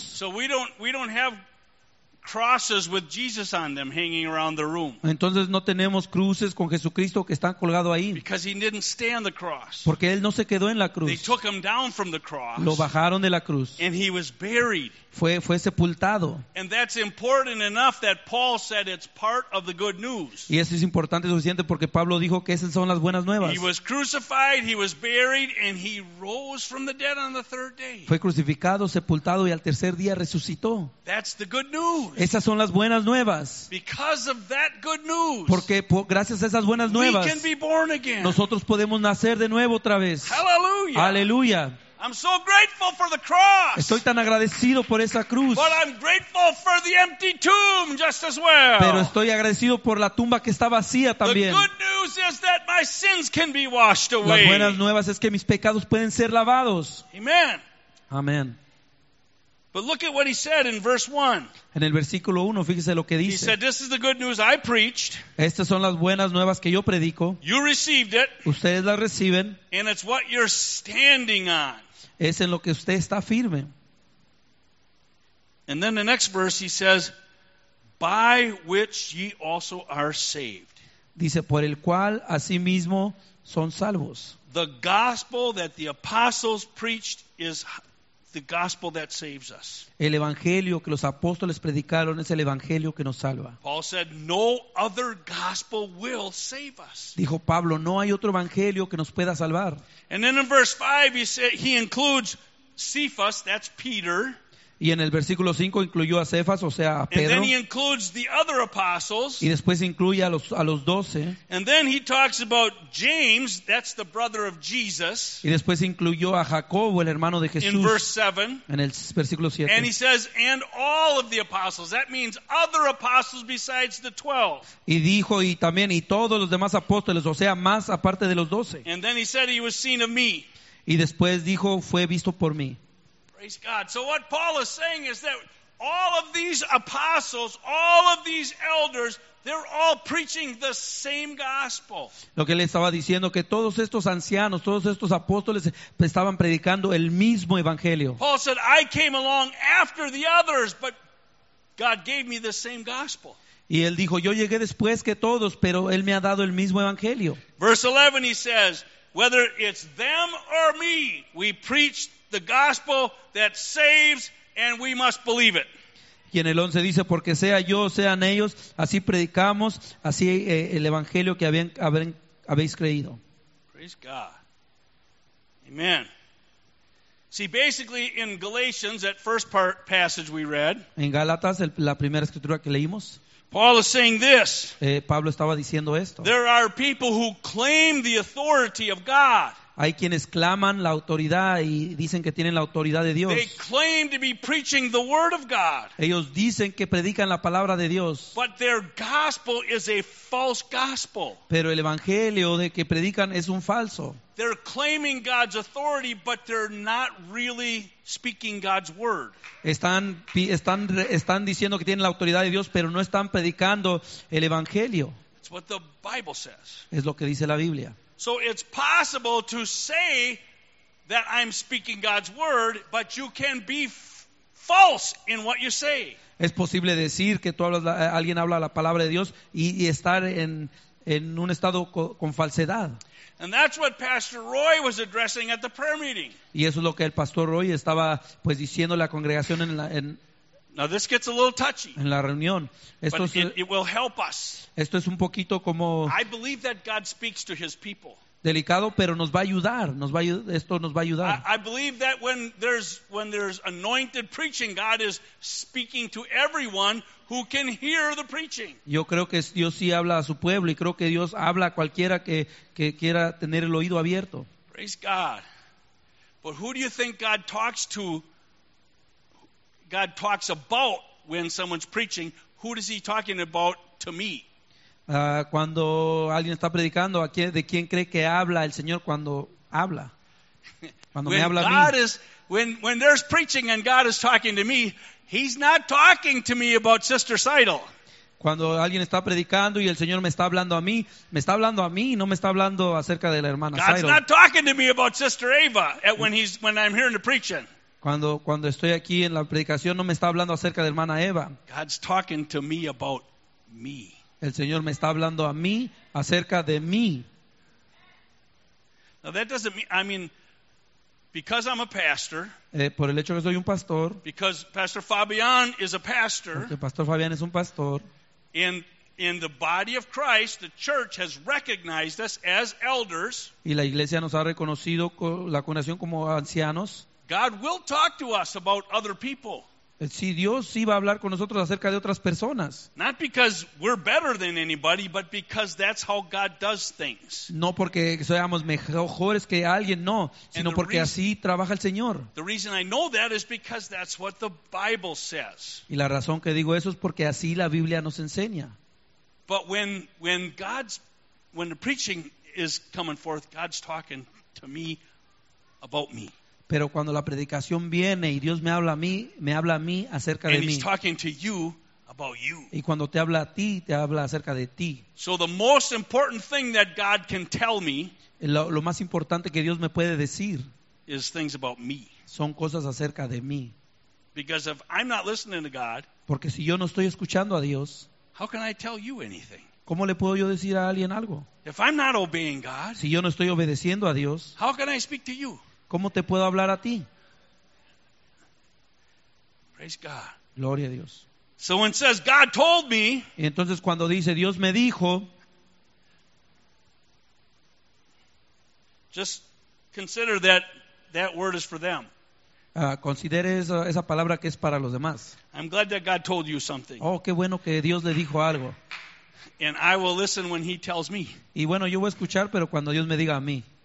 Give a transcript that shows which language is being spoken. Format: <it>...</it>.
<en>So we don't have crosses with Jesus on them hanging around the room.</en> <es>Entonces no tenemos cruces con Jesucristo que están colgado ahí.</es> <en>Because he didn't stand the cross.</en> <es>Porque él no se quedó en la cruz.</es> <en>They took him down from the cross.</en> <es>Lo bajaron de la cruz.</es> <en>And he was buried.</en> <es>Fue sepultado.</es> <en>And that's important enough that Paul said it's part of the good news.</en> <es>Y eso es importante suficiente porque Pablo dijo que esas son las buenas nuevas.</es> <en>He was crucified, he was buried, and he rose from the dead on the third day.</en> <es>Fue crucificado, sepultado y al tercer día resucitó.</es> <en>That's the good news.</en> <es>Esas son las buenas nuevas.</es> <en>Because of that good news,</en> <es>porque gracias a esas buenas nuevas,</es> <en>we can be born again.</en> <es>Nosotros podemos nacer de nuevo otra vez.</es> <en>Hallelujah.</en> <es>Aleluya.</es> <en>I'm so grateful for the cross.</en> <es>Estoy tan agradecido por esa cruz.</es> <en>But I'm grateful for the empty tomb just as well.</en> <es>Pero estoy agradecido por la tumba que está vacía también.</es> <en>The good news is that my sins can be washed away.</en> <es>Las buenas nuevas es que mis pecados pueden ser lavados.</es> <en>Amen.</en> <es>Amen.</es> <en>But look at what he said in verse 1.</en> <es>En el versículo 1, fíjese lo que dice.</es> <en>He said, "This is the good news I preached."</en> <es>Estas son las buenas nuevas que yo predico.</es> <en>You received it.</en> <es>Ustedes las reciben.</es> <en>And it's what you're standing on.</en> <es>Es en lo que usted está firme.</es> <en>And then the next verse he says, "By which ye also are saved."</en> <es>Dice, por el cual asimismo son salvos.</es> <en>The gospel that the apostles preached is the gospel that saves us.</en> <es>El evangelio que los apóstoles predicaron es el evangelio que nos salva.</es> <en>Paul said, "No other gospel will save us."</en> <es>Dijo Pablo, no hay otro evangelio que nos pueda salvar.</es> <en>And then in verse 5 he includes Cephas, that's Peter.</en> <es>Y en el versículo 5 incluyó a Cefas, o sea, a Pedro.</es> <en>And then he includes the other apostles.</en> <es>Y después incluye a los 12.</es> <en>And then he talks about James, that's the brother of Jesus.</en> <es>Y después incluyó a Jacobo, el hermano de Jesús.</es> <en>In verse 7.</en> <es>En el versículo 7.</es> <en>And he says, and all of the apostles. That means other apostles besides the 12.</en> <es>Y dijo, y también, y todos los demás apóstoles, o sea, más aparte de los 12.</es> <en>And then he said he was seen of me.</en> <es>Y después dijo, fue visto por mí.</es> <en>Praise God. So what Paul is saying is that all of these apostles, all of these elders, they're all preaching the same gospel.</en> <es>Lo que le estaba diciendo que todos estos ancianos, todos estos apóstoles estaban predicando el mismo evangelio.</es> <en>Paul said, "I came along after the others, but God gave me the same gospel."</en> <es>Y él dijo, "Yo llegué después que todos, pero él me ha dado el mismo evangelio."</es> <en>Verse 11, he says, "Whether it's them or me, we preach the gospel that saves, and we must believe it."</en> <es>Y en el 11 dice, porque sea yo o sean ellos, así predicamos, así el evangelio que habéis creído.</es> <en>Praise God. Amen. See, basically in Galatians, that first part passage we read,</en> <es>en Gálatas, la primera escritura que leímos,</es> <en>Paul is saying this.</en> <es>Pablo estaba diciendo esto.</es> <en>There are people who claim the authority of God.</en> <es>Hay quienes claman la autoridad y dicen que tienen la autoridad de Dios.</es> <en>They claim to be preaching the word of God.</en> <es>Ellos dicen que predican la palabra de Dios.</es> <en>But their gospel is a false gospel.</en> <es>Pero el evangelio de que predican es un falso.</es> <en>They're claiming God's authority, but they're not really speaking God's word.</en> <es>Están diciendo que tienen la autoridad de Dios, pero no están predicando el evangelio.</es> <en>It's what the Bible says.</en> <es>Es lo que dice la Biblia.</es> <en>So it's possible to say that I'm speaking God's word, but you can be false in what you say.</en> <es>Es posible decir que tú hablas, alguien habla la palabra de Dios y estar en un estado con falsedad.</es> <en>And that's what Pastor Roy was addressing at the prayer meeting.</en> <es>Y eso es lo que el Pastor Roy estaba pues diciendo a la congregación en la en.</es> <en>Now this gets a little touchy.</en> <es>En la reunión, esto</es> <en>but it will help us.</en> <es>Esto es un poquito como.</es> <en>I believe that God speaks to His people.</en> <es>Delicado, pero nos va a ayudar. Esto nos va a ayudar.</es> <en>I believe that when there's anointed preaching, God is speaking to everyone who can hear the preaching.</en> <es>Yo creo que Dios sí habla a su pueblo, y creo que Dios habla a cualquiera que quiera tener el oído abierto.</es> <en>Praise God. But who do you think God talks to? God talks about when someone's preaching, who is he talking about to me?</en> <es>Cuando alguien está predicando, ¿de quién cree que habla el Señor cuando habla? Cuando</es> <en>when</en> <es>me habla</es> <en>God</en> <es>a mí.</es> <en>Is, when there's preaching and God is talking to me, he's not talking to me about Sister Seidel.</en> <es>Cuando alguien está predicando y el Señor me está hablando a mí, no me está hablando acerca de la hermana Seidel.</es> <en>God's not talking to me about Sister Ava when I'm hearing the preaching.</en> <es>Cuando estoy aquí en la predicación, no me está hablando acerca de hermana Eva.</es> <en>God's talking to me about me.</en> <es>El Señor me está hablando a mí acerca de mí.</es> <en>Now that doesn't mean, I mean, because I'm a pastor.</en> <es>Por el hecho que soy un pastor.</es> <en>Because Pastor Fabian is a pastor.</en> <es>Porque Pastor Fabian es un pastor.</es> <en>In the body of Christ, the church has recognized us as elders.</en> <es>Y la iglesia nos ha reconocido la congregación como ancianos.</es> <en>God will talk to us about other people.</en> <es>Si Dios sí va a hablar con nosotros acerca de otras personas.</es> <en>Not because we're better than anybody, but because that's how God does things.</en> <es>No porque seamos mejores que alguien, no, sino porque así trabaja el Señor.</es> <en>The reason I know that is because that's what the Bible says.</en> <es>Y la razón que digo eso es porque así la Biblia nos enseña.</es> <en>But when the preaching is coming forth, God's talking to me about me.</en> <es>Pero cuando la predicación viene y Dios me habla a mí acerca</es> <en>and</en> <es>de</es> <en>he's</en> <es>mí.</es> <en>Talking to you about you.</en> <es>Y cuando te habla a ti, te habla acerca de ti.</es> <en>So the most important thing that God can tell me,</en> <es>lo más importante que Dios me puede decir,</es> <en>is things about me.</en> <es>Son cosas acerca de mí.</es> <en>Because if I'm not listening to God,</en> <es>porque si yo no estoy escuchando a Dios,</es> <en>how can I tell you anything?</en> <es>¿Cómo le puedo yo decir a alguien algo?</es> <en>If I'm not obeying God,</en> <es>si yo no estoy obedeciendo a Dios,</es> <en>how can I speak to you?</en> <es>¿Cómo te puedo hablar a ti?</es> <en>Praise God.</en> <es>Gloria a Dios.</es> <en>So when it says God told me,</en> <es>y entonces cuando dice Dios me dijo,</es> <en>just consider that word is for them.</en> <es>Considere esa palabra que es para los demás.</es> <en>I'm glad that God told you something.</en> <es>Oh, qué bueno que Dios le dijo algo.</es> <en>And I will listen when he tells me.</en> <es>Y bueno, yo voy a escuchar, pero cuando Dios me diga a mí.</es>